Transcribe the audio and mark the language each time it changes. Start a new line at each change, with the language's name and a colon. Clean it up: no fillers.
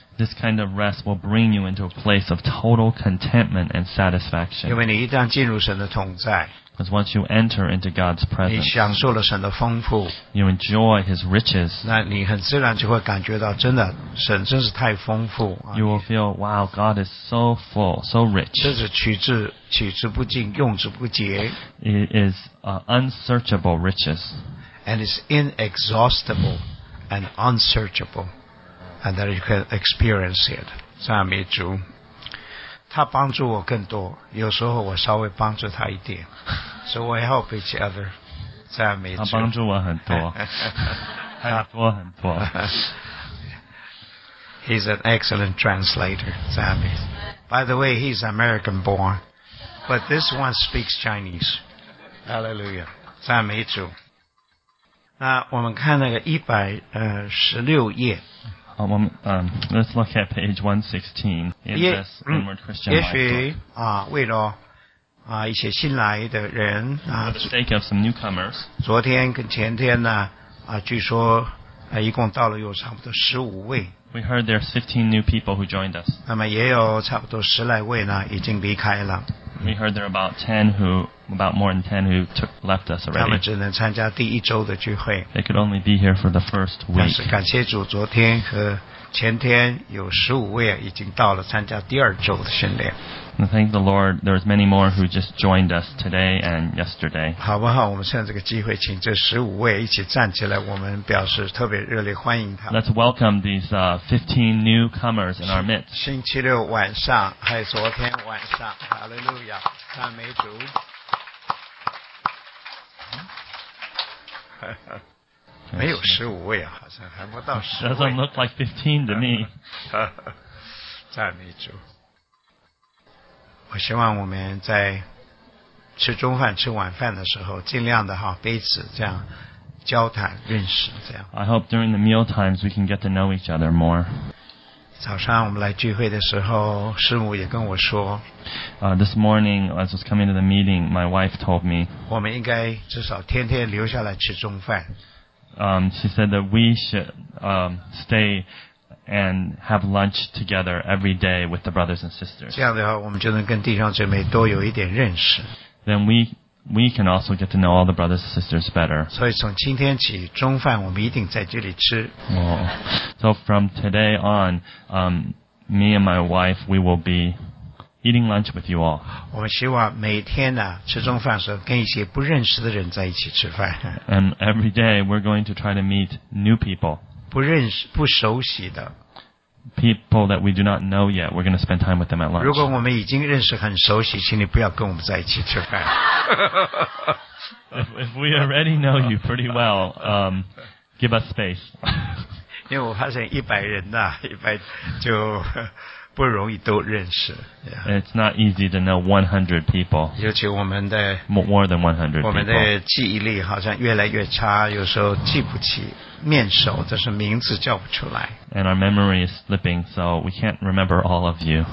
English: This kind of rest will bring you into a place of total contentment and satisfaction.
Chinese: 因为你一旦进入神的同在,
English: Because once you enter into God's presence,
Chinese: 你享受了神的丰富,
English: you enjoy His riches,
Chinese: 那你很自然就会感觉到真的神真是太丰富,
English: you will feel, wow, God is so full, so rich.
Chinese: 这是取之不尽, 用之不竭,
English: it is unsearchable riches. And it's inexhaustible and unsearchable. And that you can experience it.
Chinese: 赞美主。他帮助我更多，有时候我稍微帮助他一点。
English: So we help each other.
Chinese: 赞美主。他帮助我很多。很多很多。
English: He's an excellent translator.
Chinese: 赞美。
English: By the way, he's American born. But this one speaks Chinese. Hallelujah.
Chinese: 赞美主。那我们看那个116页。
English: Let's look at page 116 in this Inward Christian Life book.
Chinese: 为了一些新来的人
English: For the sake of some newcomers.
Chinese: 昨天跟前天呢据说一共到了有差不多15位。
English: We heard there are 15 new people who joined us.
Chinese: 那么也有差不多十来位呢已经离开了。
English: We heard there are about more than 10 who left us already.
Chinese: 他们只能参加第一周的聚会。
English: They could only be here for the first week.
Chinese: 但是感谢主，昨天和前天有15位已经到了参加第二周的训练。
English: And thank the Lord, there's many more who just joined us today and yesterday.
Chinese: 好不好？我们趁这个机会，请这15位一起站起来，我们表示特别热烈欢迎他们。
English: Let's welcome these 15 newcomers in our midst.
Chinese: 星期六晚上，还有昨天晚上 ，Hallelujah， 赞美主。没有15位啊，好像还不到10位。
English: Doesn't look like 15 to me.
Chinese: 赞美主。我希望我们在吃中饭、吃晚饭的时候，尽量的哈彼此这样交谈、认识这样。
English: I hope during the meal times we can get to know each other more.
Chinese: 早上我们来聚会的时候，师母也跟我说。
English: This morning, as I was coming to the meeting, my wife told me.
Chinese: 我们应该至少天天留下来吃中饭。
English: She said that we should stay. And have lunch together every day with the brothers and sisters.
Chinese: 这样的话，我们就能跟弟兄姐妹多有一点认识。
English: Then we can also get to know all the brothers and sisters better.
Chinese: 所以从今天起，中饭我们一定在这里吃。
English: So from today on, me and my wife, we will be eating lunch with you all.
Chinese: 我们希望每天呢吃中饭的时候跟一些不认识的人在一起吃饭。
English: And every day we're going to try to meet new people.
Chinese: 不认识不熟悉的
English: people that we do not know yet we're going to spend time with them at lunch
Chinese: 如果我们已经认识很熟悉请你不要跟我们在一起吃饭
English: if we already know you pretty well give us space
Chinese: 因为我发现100人呐、100就不容易都认识、yeah.
English: it's not easy to know 100 people
Chinese: 尤其我们的
English: more than 100 people
Chinese: 我们的记忆力好像越来越差有时候记不起面熟但是名字叫不出来
English: and our memory is slipping so we can't remember all of you